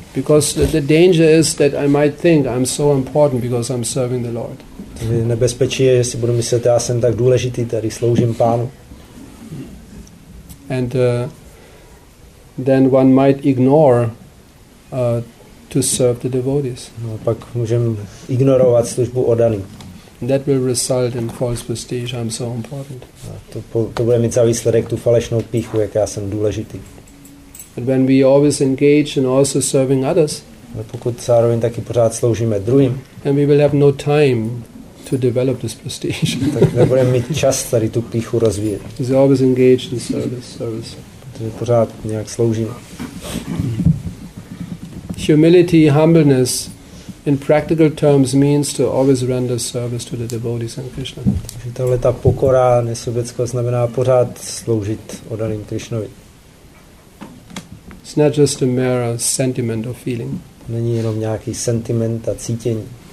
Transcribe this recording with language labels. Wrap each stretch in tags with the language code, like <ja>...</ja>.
<en>Because the danger is that I might think I'm so important because I'm serving the Lord.</en> <cs>Nebezpečí je, že si budu myslet, já jsem tak důležitý, tady sloužím Pánu.</cs> <en>And then one might ignore to serve the devotees.</en> <cs>No, pak můžeme ignorovat službu oddaným.</cs> <en>That will result in false prestige. I'm so important.</en> <cs>To bude mít za výsledek tu falešnou píchu, jak já jsem důležitý.</cs> <en>But when we always engage in also serving others,</en> <cs>ale pokud zároveň taky pořád sloužíme druhým,</cs> <en>then we will have no time to develop this prestige.</en> <cs>Tak nebudeme mít čas tady tu píchu rozvíjet.</cs> <en>We always engage in service.</en> <cs>Protože pořád nějak sloužíme.</cs> <en>Humility, humbleness. In practical terms means to always render service to the devotees and Krishna.</en> <cs>Takže tohle ta pokora, nesobeckost znamená pořád sloužit oddaným Krishnovi.</cs> <en>It's not just a mere sentiment or feeling.</en> <cs>Není jenom nějaký sentiment a cítění.</cs>